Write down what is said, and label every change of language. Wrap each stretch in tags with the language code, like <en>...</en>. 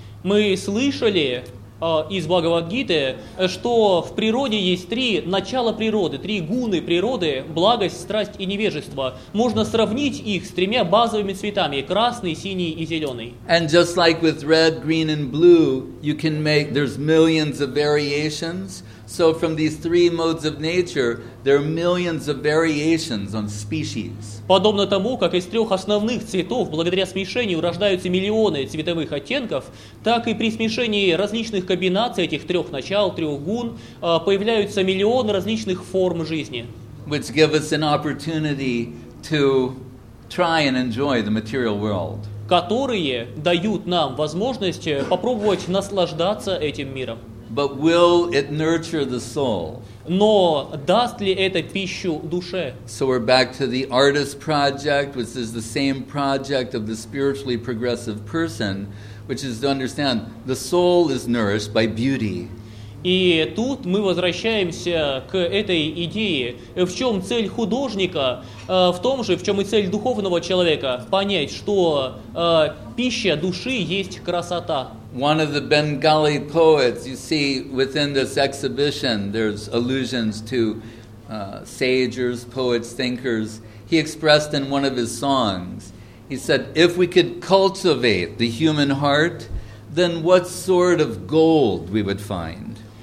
<ru>Мы слышали из Бхагавад-гиты, что в природе есть три начала природы, три гуны природы, благость, страсть и невежество. Можно сравнить их с тремя базовыми цветами, красный, синий и зеленый.</ru> <en>And just like with red, green and blue, you can make, there's millions of variations. So from these three modes of nature, there are millions of variations on species.</en> <ru>Подобно тому, как из трех основных цветов, благодаря смешению, рождаются миллионы цветовых оттенков, так и при смешении различных комбинаций этих трех начал, трех гун, появляются миллионы различных форм жизни.</ru> <en>Which give us an opportunity to try and enjoy the material world.</en> <ru>Которые дают нам возможность попробовать наслаждаться этим миром.</ru> <en>But will it nurture the soul?</en> <ru>Но даст ли это пищу душе?</ru> <en>So we're back to the artist project, which is the same project of the spiritually progressive person, which is to understand the soul is nourished by beauty.</en> <ru>И тут мы возвращаемся к этой идее. В чем цель художника? В том же, в чем и цель духовного человека, понять, что пища души есть красота.</ru> <en>One of the Bengali poets, you see, within this exhibition, there's allusions to sages, poets, thinkers. He expressed in one of his songs, he said, if we could cultivate the human heart, then what sort of gold we would find?</en>